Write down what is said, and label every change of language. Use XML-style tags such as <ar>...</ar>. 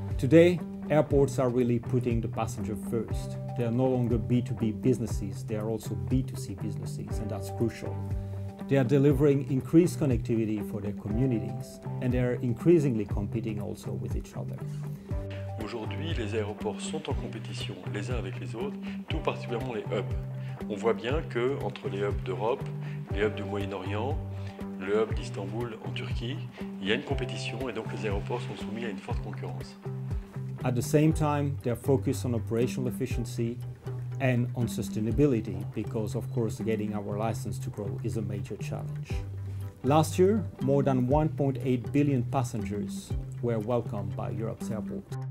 <en>Today, airports are really putting the passenger first. They are no longer B2B businesses, they are also B2C businesses, and that's crucial. They are delivering increased connectivity for their communities, and they are increasingly competing also with each other.</en> <fr>Aujourd'hui, les aéroports sont en compétition les uns avec les autres, tout particulièrement les hubs. On voit bien que entre les hubs d'Europe, les hubs du Moyen-Orient, le hub d'Istanbul en Turquie, il y a une compétition et donc les aéroports sont soumis à une forte concurrence.</fr> <en>At the same time, they are focused on operational efficiency and on sustainability because, of course, getting our license to grow is a major challenge. Last year, more than 1.8 billion passengers were welcomed by Europe's airport.</en>